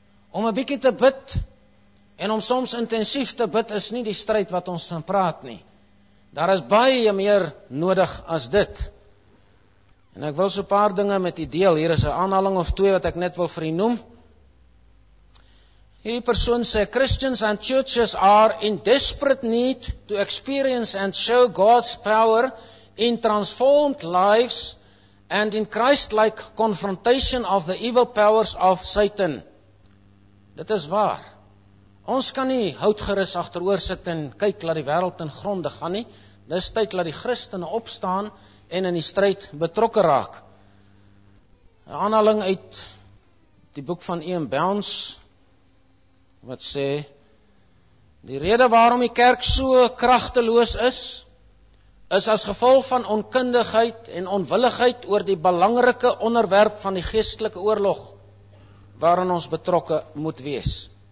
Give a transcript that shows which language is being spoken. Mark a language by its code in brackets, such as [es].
[af] Om 'n bietjie te bid en om soms intensief te bid is nie die stryd wat ons van praat nie. Daar is baie meer nodig as dit. En ek wil so 'n paar dinge met u deel. Hier is 'n aanhaling of twee wat ek net wil vir u noem. Hierdie persoon sê, [en] Christians and churches are in desperate need to experience and show God's power in transformed lives and in Christ-like confrontation of the evil powers of Satan. [af] Dit is waar. Ons kan nie houtgerus agteroor sit en kyk dat die wêreld in gronde gaan nie. Dis tyd dat die Christene opstaan en in die stryd betrokke raak. 'N aanhaling uit die boek van Ian Bounds, wat sê, die rede waarom die kerk so kragteloos is, is as gevolg van onkundigheid en onwilligheid oor die belangrike onderwerp van die geestelike oorlog, waarin ons betrokke moet wees.